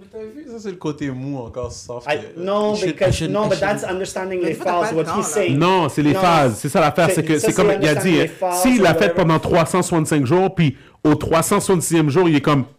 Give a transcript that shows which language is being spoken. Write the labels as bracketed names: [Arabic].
[French] Mais t'as vu, ça, c'est le côté mou encore soft. [English] No, that's understanding [French] les phases, [English] what he's saying. [French] Non, c'est les phases. C'est ça l'affaire. C'est comme il a dit. S'il l'a fait pendant 365 jours, puis au 366e jour, il est comme...